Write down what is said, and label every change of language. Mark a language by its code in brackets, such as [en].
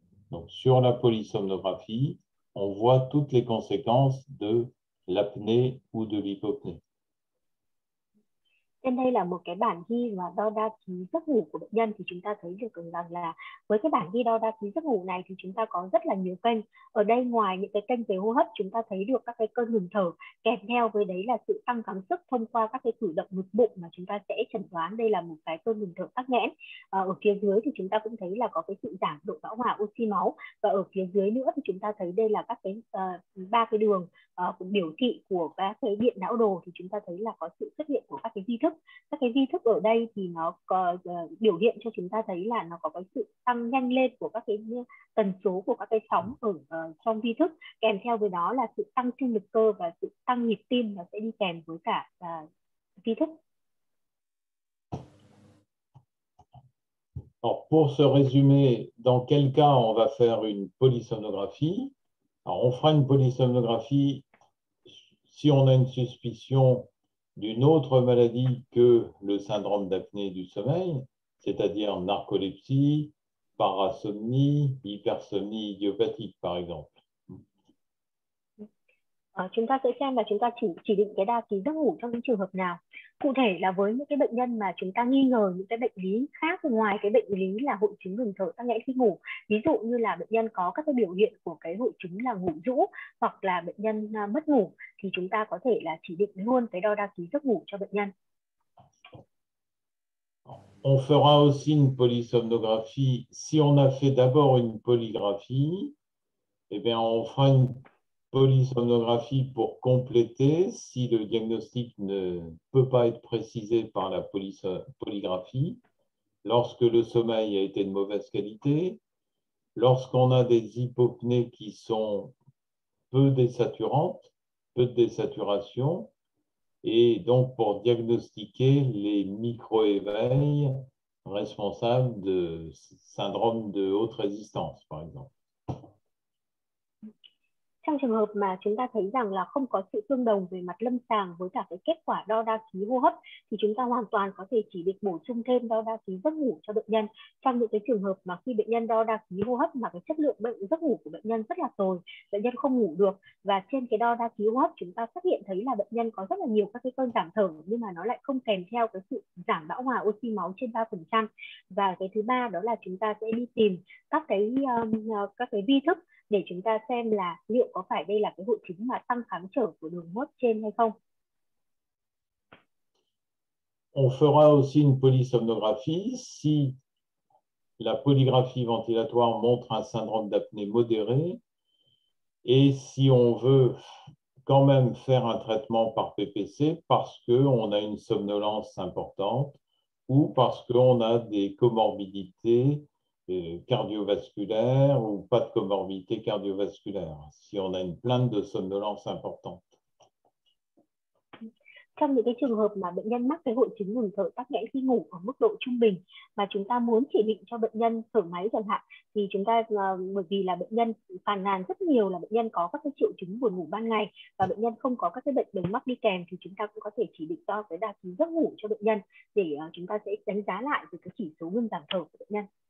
[fr] Donc, sur la polysomnographie, on voit toutes les conséquences de l'apnée ou de l'hypopnée. [vi] Trên đây là một cái bản ghi mà đo đa ký giấc ngủ của bệnh nhân, thì chúng ta thấy được rằng là với cái bản ghi đo đa ký giấc ngủ này thì chúng ta có rất là nhiều kênh. Ở đây ngoài những cái kênh về hô hấp, chúng ta thấy được các cái cơn ngừng thở, kèm theo với đấy là sự tăng kháng sức thông qua các cái cử động ngực bụng mà chúng ta sẽ chẩn đoán đây là một cái cơn ngừng thở tắc nghẽn. Ở phía dưới thì chúng ta cũng thấy là có cái sự giảm độ bão hòa oxy máu, và ở phía dưới nữa thì chúng ta thấy đây là các cái ba cái đường biểu thị của các cái điện não đồ, thì chúng ta thấy là có sự xuất hiện của các cái vi thức. Các cái vi thức ở đây thì nó có biểu hiện cho chúng ta thấy là nó có cái sự tăng nhanh lên của các cái tần số của các cái sóng ở trong vi thức, kèm theo với đó là sự tăng trương lực cơ và sự tăng nhịp tim nó sẽ đi kèm với cả vi thức. [fr] Alors pour se résumer, dans quel cas on va faire une polysomnographie? Alors on fera une polysomnographie si on a une suspicion d'une autre maladie que le syndrome d'apnée du sommeil, c'est-à-dire narcolepsie, parasomnie, hypersomnie idiopathique, par exemple. [vi] Chúng ta sẽ xem là chúng ta chỉ định cái đa ký giấc ngủ trong những trường hợp nào. Cụ thể là với những cái bệnh nhân mà chúng ta nghi ngờ những cái bệnh lý khác ngoài cái bệnh lý là hội chứng ngừng thở tắc nghẽn khi ngủ. Ví dụ như là bệnh nhân có các cái biểu hiện của cái hội chứng là ngủ rũ, hoặc là bệnh nhân mất ngủ, thì chúng ta có thể là chỉ định luôn cái đo đa ký giấc ngủ cho bệnh nhân. [fr] On fera aussi une polysomnographie si on a fait d'abord une polygraphie, eh bien on fera une polysomnographie pour compléter si le diagnostic ne peut pas être précisé par la polygraphie, lorsque le sommeil a été de mauvaise qualité, lorsqu'on a des hypopnées qui sont peu désaturantes, peu de désaturation, et donc pour diagnostiquer les micro-éveils responsables de syndrome de haute résistance, par exemple. [vi] Trong trường hợp mà chúng ta thấy rằng là không có sự tương đồng về mặt lâm sàng với cả cái kết quả đo đa khí hô hấp thì chúng ta hoàn toàn có thể chỉ định bổ sung thêm đo đa khí giấc ngủ cho bệnh nhân trong những cái trường hợp mà khi bệnh nhân đo đa khí hô hấp mà cái chất lượng bệnh giấc ngủ của bệnh nhân rất là tồi, bệnh nhân không ngủ được và trên cái đo đa khí hô hấp chúng ta phát hiện thấy là bệnh nhân có rất là nhiều các cái cơn giảm thở nhưng mà nó lại không kèm theo cái sự giảm bão hòa oxy máu trên 3%. Và cái thứ ba đó là chúng ta sẽ đi tìm các cái vi thức để chúng ta xem là liệu có phải đây là cái hội chứng mà tăng kháng trở của đường hô hấp trên hay không. [fr] On fera aussi une polysomnographie si la polygraphie ventilatoire montre un syndrome d'apnée modéré et si on veut quand même faire un traitement par PPC parce que on a une somnolence importante ou parce que on a des comorbidités cardiovasculaire ou pas de comorbidité cardiovasculaire, si on a une plainte de somnolence importante. [vi] Trong những cái trường hợp mà bệnh nhân mắc cái hội chứng ngừng thở tắc nghẽn khi ngủ ở mức độ trung bình mà chúng ta muốn chỉ định cho bệnh nhân thở máy chẳng hạn thì chúng ta bởi vì là bệnh nhân phàn nàn rất nhiều là bệnh nhân có các cái triệu chứng buồn ngủ ban ngày và bệnh nhân không có các cái bệnh đồng mắc đi kèm thì chúng ta cũng có thể chỉ định đo cái đa khí giấc ngủ cho bệnh nhân để chúng ta sẽ đánh giá lại về cái chỉ số ngừng giảm thở của bệnh nhân.